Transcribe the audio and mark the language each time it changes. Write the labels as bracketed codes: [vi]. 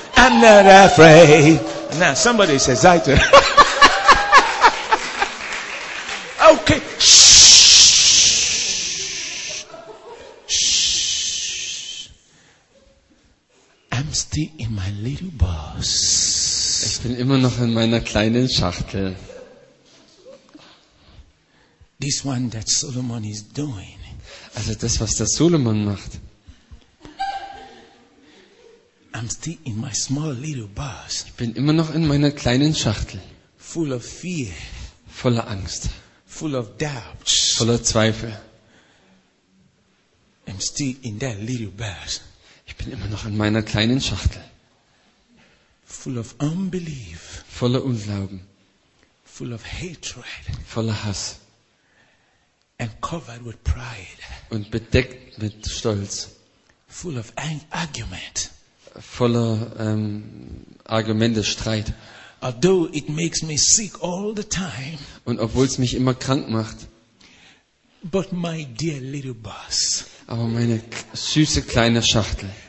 [en] I'm not afraid. Now somebody says, I do. Okay. I'm still in my little box. [de] Ich bin immer noch in meiner kleinen Schachtel. [en] This one that Solomon is doing. [de] Also das, was der Solomon macht. [en] I'm still in my small little box. [de] Ich bin immer noch in meiner kleinen Schachtel. [en] Full of fear. [de] Voller Angst. [en] Full of doubts. [de] Voller Zweifel. [en] I'm still in that little box. [de] Ich bin immer noch in meiner kleinen Schachtel. [en] Full of unbelief. [de] Voller Unglauben. [en] Full of hatred. [de] Voller Hass. [en] And covered with pride. [de] Und bedeckt mit Stolz. [en] Full of argument. [de] Voller Argumente, Streit. [en] Although it makes me sick all the time. [de] Und obwohl es mich immer krank macht. [en] But my dear little boss. [de] Aber meine süße kleine Schachtel.